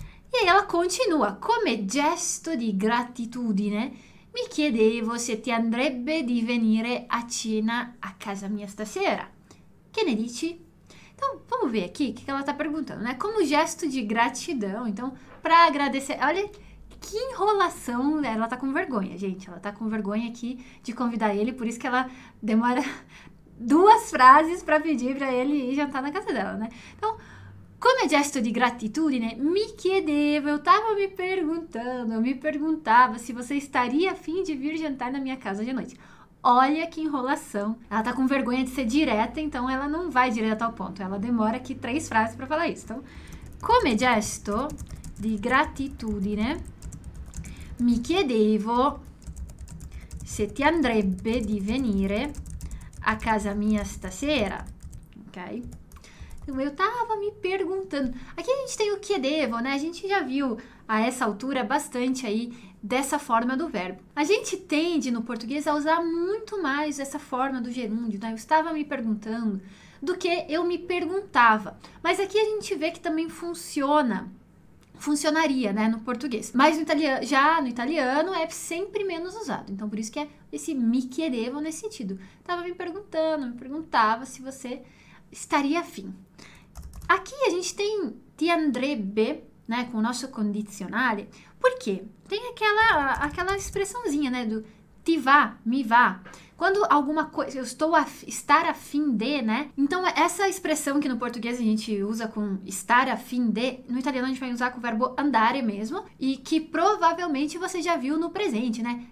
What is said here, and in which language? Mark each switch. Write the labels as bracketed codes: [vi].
[pt] E aí ela continua. [it] Come gesto di gratitudine, mi chiedevo se ti andrebbe di venire a cena a casa mia stasera. Che ne dici? [pt] Então, vamos ver aqui o que ela está perguntando, né? Como gesto de gratidão, então, para agradecer. Olha que enrolação, né? Ela está com vergonha, gente. Ela está com vergonha aqui de convidar ele, por isso que ela demora duas frases para pedir para ele ir jantar na casa dela, né? Então, como gesto de gratitudine, mi chiedevo, eu estava me perguntando, eu me perguntava se você estaria a fim de vir jantar na minha casa de noite. Olha que enrolação. Ela tá com vergonha de ser direta, então ela não vai direto ao ponto. Ela demora aqui três frases para falar isso. [it] Então, come gesto di gratitudine, mi chiedevo se ti andrebbe di venire a casa mia stasera. [pt] Ok? Então, eu tava me perguntando. Aqui a gente tem o chiedevo, né? A gente já viu a essa altura bastante aí dessa forma do verbo. A gente tende no português a usar muito mais essa forma do gerúndio, né? Eu estava me perguntando do que eu me perguntava. Mas aqui a gente vê que também funciona, funcionaria, né, no português. Mas no italiano, já no italiano é sempre menos usado. Então, por isso que é esse mi chiedevo nesse sentido. Estava me perguntando, me perguntava se você estaria afim. Aqui a gente tem ti andrebbe, né, com o nosso condizionale. Por quê? Tem aquela expressãozinha, né, do ti va, mi va. Quando alguma coisa, eu estou a estar a fim de, né? Então, essa expressão que no português a gente usa com estar a fim de, no italiano a gente vai usar com o verbo andare mesmo, e que provavelmente você já viu no presente, né?